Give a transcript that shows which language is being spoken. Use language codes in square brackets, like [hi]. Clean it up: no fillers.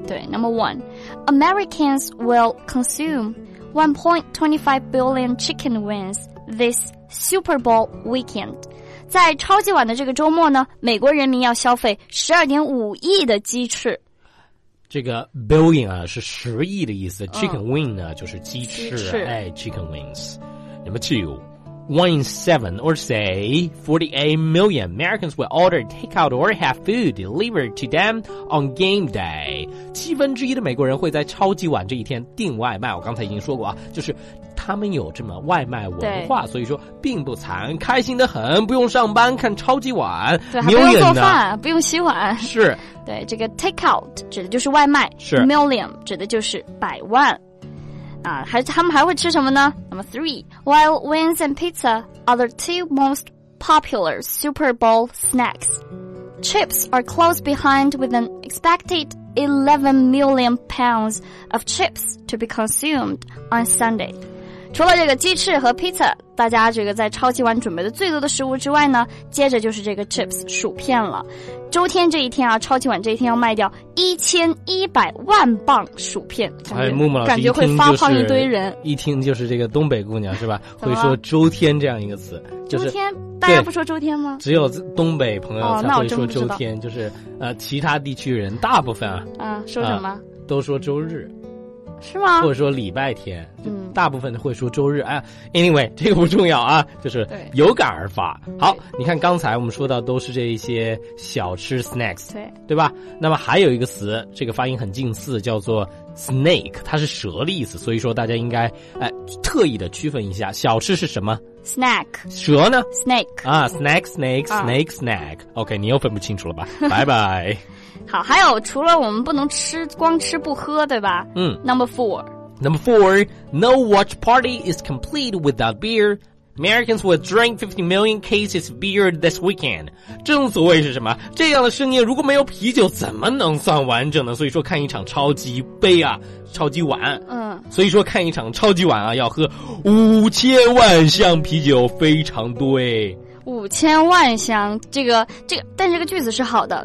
[en] 对。Number one, Americans will consume 1.25 billion chicken wings this Super Bowl weekend. [zh] 在超级碗的这个周末呢，美国人民要消费 12.5 亿的鸡翅。这个 billion 啊是十亿的意思， chicken wing 呢、就是鸡翅， [en] 哎， chicken wings。 Number two, 1.7 or say 48 million Americans will order takeout or have food delivered to them on game day. [zh] 七分之一的美国人会在超级碗这一天订外卖，我刚才已经说过啊，就是他们有这么外卖文化，所以说并不惨，开心得很，不用上班看超级碗。对，还不用做饭，不用洗碗。是，对，这个 takeout 指的就是外卖。是， million 指的就是百万啊。还他们还会吃什么呢？ [en] 那么 three, while wings and pizza are the two most popular Super Bowl snacks, chips are close behind with an expected 11 million pounds of chips to be consumed on Sunday. [zh] 除了这个鸡翅和 pizza， 大家这个在超级碗准备的最多的食物之外呢，接着就是这个 chips 薯片了。周天这一天啊，超级碗这一天要卖掉1100万磅薯片，哎，木木老师感觉会发胖一堆人，一听就是这个东北姑娘是吧？会说周天这样一个词，就是、周天大家不说周天吗？只有东北朋友才会说周天，哦、就是其他地区人大部分啊，说什么、都说周日，是吗？或者说礼拜天，大部分会说周日。哎 ，anyway， 这个不重要啊，就是有感而发。好，你看刚才我们说到都是这一些小吃 snacks， 对吧？那么还有一个词，这个发音很近似，叫做 snake， 它是蛇的意思，所以说大家应该特意的区分一下，小吃是什么 [en] ？snack， [zh] 蛇呢 [en] ？snake 啊 ，snack。 [zh] OK， 你又分不清楚了吧？拜拜。好，还有除了我们不能吃，光吃不喝，对吧？ [en] Number four, no watch party is complete without beer. Americans will drink 50 million cases of beer this weekend. [zh] 正所谓是什么？这样的盛宴如果没有啤酒，怎么能算完整呢？所以说看一场超级杯啊，超级碗。所以说看一场超级碗啊，要喝5000万箱啤酒，非常多哎。 5000万箱，但这个句子是好的。